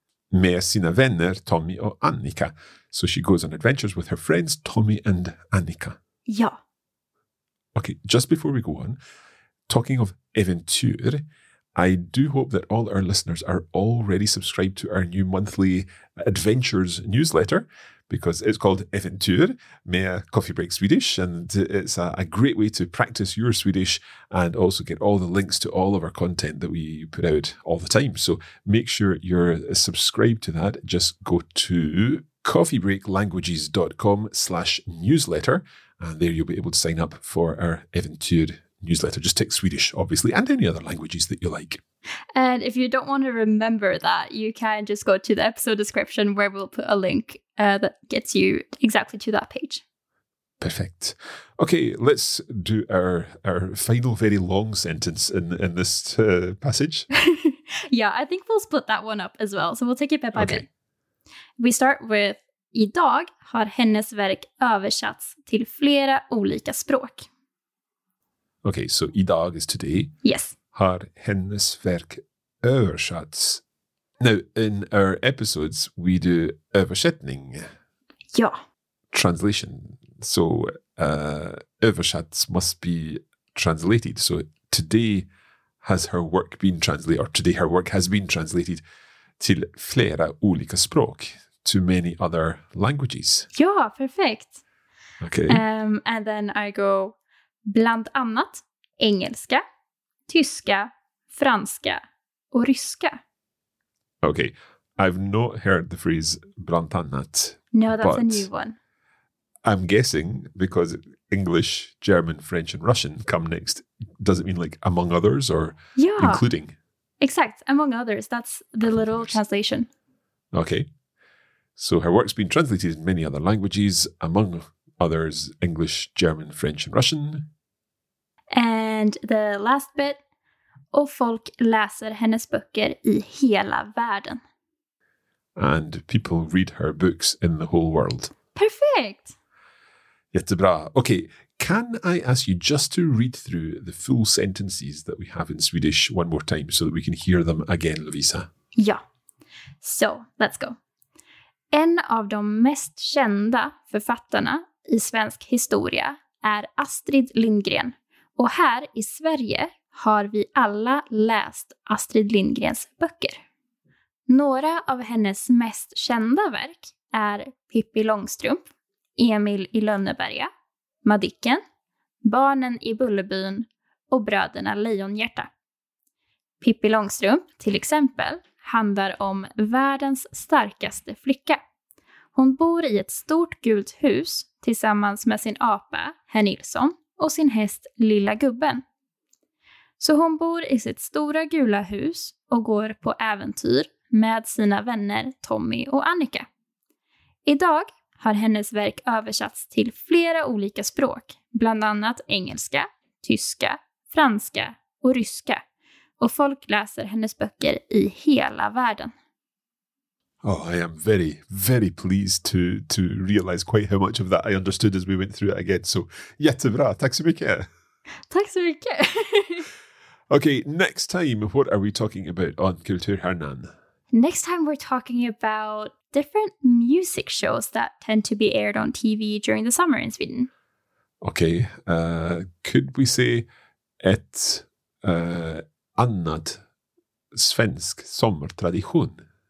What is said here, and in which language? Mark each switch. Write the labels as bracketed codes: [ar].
[sv] Med sina vänner Tommy och Annika. [en] So she goes on adventures with her friends Tommy and Annika. Yeah. Okay, just before we go on, talking of äventyr, I do hope that all our listeners are already subscribed to our new monthly adventures newsletter. Because it's called Eventyr med Coffee Break Swedish, and it's a great way to practice your Swedish and also get all the links to all of our content that we put out all the time. So make sure you're subscribed to that. Just go to coffeebreaklanguages.com/newsletter, and there you'll be able to sign up for our Eventyr newsletter. Just take Swedish, obviously, and any other languages that you like. And if you don't want to remember that, you can just go to the episode description where we'll put a link that gets you exactly to that page. Perfect. Okay, let's do our final very long sentence in this passage. Yeah, I think we'll split that one up as well. So we'll take it bit by bit. We start with, [sv] idag har hennes verk översatts till flera olika språk. [en] Okay, so idag is today. Yes. [sv] Har hennes verk översatts. [en] Now, in our episodes, we do översättning. [sv] Ja. [en] Translation. So, översatts must be translated. So, today has her work been translated, or today her work has been translated [sv] till flera olika språk, [en] to many other languages. [sv] Ja, perfekt. [en] Okay. And then I go, [sv] bland annat engelska, tyska, franska och ryska. [en] Okay, I've not heard the phrase brantannat. No, that's a new one. I'm guessing because English, German, French and Russian come next. Does it mean like among others or yeah, including? Exact. Among others. That's the literal translation. Okay. So her work's been translated in many other languages, among others, English, German, French and Russian. And the last bit. [sv] Och folk läser hennes böcker i hela världen. [en] And people read her books in the whole world. Perfect. [sv] Jättebra. [en] Okay, can I ask you just to read through the full sentences that we have in Swedish one more time so that we can hear them again, Lovisa? Ja. So, let's go. [sv] En av de mest kända författarna i svensk historia är Astrid Lindgren. Och här i Sverige har vi alla läst Astrid Lindgrens böcker. Några av hennes mest kända verk är Pippi Långstrump, Emil i Lönneberga, Madicken, Barnen i Bullerbyn och Bröderna Lejonhjärta. Pippi Långstrump till exempel handlar om världens starkaste flicka. Hon bor i ett stort gult hus tillsammans med sin apa Herr Nilsson och sin häst Lilla Gubben. Så hon bor i sitt stora gula hus och går på äventyr med sina vänner Tommy och Annika. Idag har hennes verk översatts till flera olika språk, bland annat engelska, tyska, franska och ryska. Och folk läser hennes böcker i hela världen. [en] Oh, I am very, very pleased to realize quite how much of that I understood as we went through it again. [sv] So, jättebra, tack så mycket! Tack så mycket! [en] Okay, next time, what are we talking about on Kulturhjärnan? Next time we're talking about different music shows that tend to be aired on TV during the summer in Sweden. Okay, could we say [sv] ett annat svensk sommartradition?